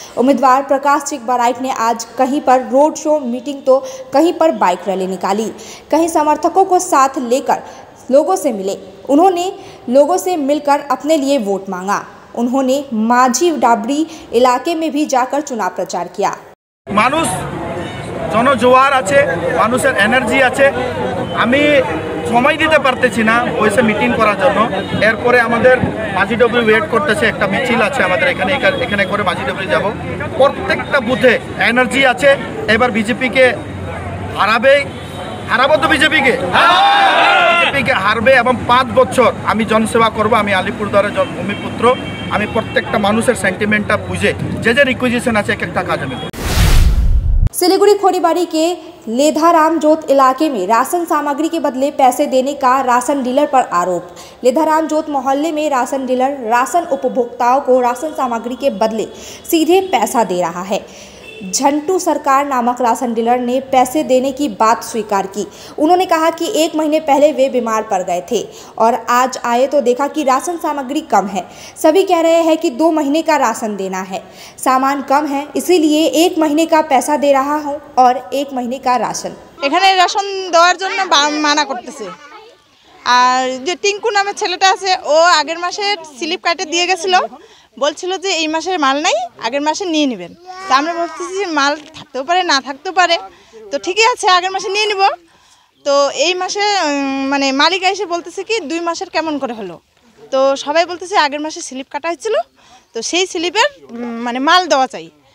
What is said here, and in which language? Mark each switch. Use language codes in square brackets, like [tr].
[hi] उम्मीदवार प्रकाश चिकबराइक ने आज कहीं पर रोड शो मीटिंग तो कहीं पर बाइक रैली निकाली, कहीं समर्थकों को साथ लेकर लोगों से मिले। उन्होंने लोगों से मिलकर अपने लिए वोट मांगा। उन्होंने माझी डाबड़ी इलाके में भी जाकर चुनाव प्रचार किया। [bn] মানুষ জনজোয়ার আছে, মানুষের এনার্জি আছে, আমি সময় দিতে পারতেছি না ওইসে মিটিং করার জন্য। এরপরে আমাদের বাজিডব্লিউ ওয়েট করতেছে, একটা মিছিল আছে আমাদের এখানে, এখানে করে বাজিডব্লিউ যাব। প্রত্যেকটা বুথে এনার্জি আছে, এবার বিজেপিকে হারাবে, হারাবো তো বিজেপিকে, বিজেপিকে হারবে। এবং 5 বছর আমি জনসেবা করব, আমি আলিপুরদুয়ারের ভূমিপুত্র, আমি প্রত্যেকটা মানুষের সেন্টিমেন্টটা বুঝে যে যে রিকোয়েজিশন আছে এক একটা কাজ আমি। [hi] सिलीगुड़ी खोड़ीबाड़ी के लेधाराम जोत इलाके में राशन सामग्री के बदले पैसे देने का राशन डीलर पर आरोप। लेधाराम जोत मोहल्ले में राशन डीलर राशन उपभोक्ताओं को राशन सामग्री के बदले सीधे पैसा दे रहा है। झंटू सरकार नामक राशन डीलर ने पैसे देने की बात स्वीकार की। उन्होंने कहा कि 1 महीने पहले वे बीमार पड़ गए थे और आज आए तो देखा कि राशन सामग्री कम है। सभी कह रहे हैं कि 2 महीने का राशन देना है, सामान कम है, इसीलिए 1 महीने का पैसा दे रहा हूं और 1 महीने का राशन। [bn] এখানে রাশন দেওয়ার জন্য মানা করতেছে। আর যে টিংকু নামে ছেলেটা আছে, ও আগের মাসে স্লিপ কার্ডে দিয়ে গেছিল, বলছিল যে এই মাসের মাল নাই, আগের মাসে নিয়ে নেবেন। তা আমরা ভাবতেছি যে মাল থাকতেও পারে না থাকতেও পারে, তো ঠিকই আছে আগের মাসে নিয়ে নেব। তো এই মাসে মানে মালিক এসে বলতেছে কি 2 মাসের কেমন করে হলো, তো সবাই বলতেছে আগের মাসে স্লিপ কাটা হয়েছিল, তো সেই স্লিপের মানে মাল দেওয়া চাই।